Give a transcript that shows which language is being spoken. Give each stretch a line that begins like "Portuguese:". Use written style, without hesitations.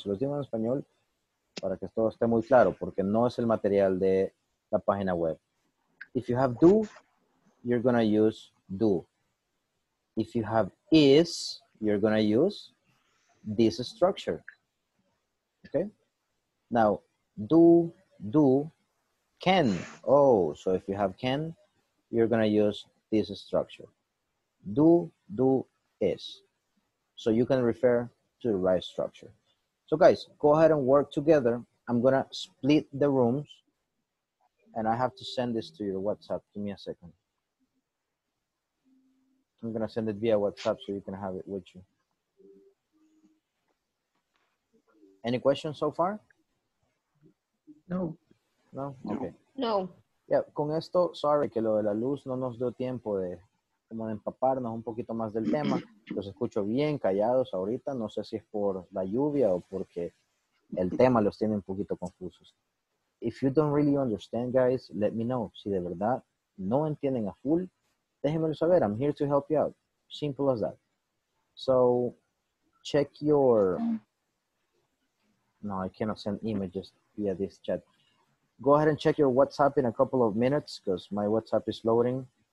Spanish: Se los digo en español para que todo esté muy claro, porque no es el material de la página web.
English: If you have do, you're going to use do. If you have is, you're going to use this structure. Okay? Now, do, do, can. Oh, so if you have can, you're going to use this structure. Do, do, is. So you can refer to the right structure. So guys, go ahead and work together. I'm going to split the rooms. And I have to send this to your WhatsApp. Give me a second. I'm going to send it via WhatsApp so you can have it with you. Any questions so far? No. No? Okay. No.
Spanish: Yeah, con esto, sorry, que lo de la luz no nos dio tiempo de como de empaparnos un poquito más del tema. Los escucho bien callados ahorita. No sé si es por la lluvia o porque el tema los tiene un poquito confusos.
English: If you don't really understand, guys, let me know.
Spanish: Si de verdad no entienden a full, déjenmelo saber.
English: I'm here to help you out. Simple as that. So, check your... No, I cannot send images via this chat. Go ahead and check your WhatsApp in a couple of minutes because my WhatsApp is loading.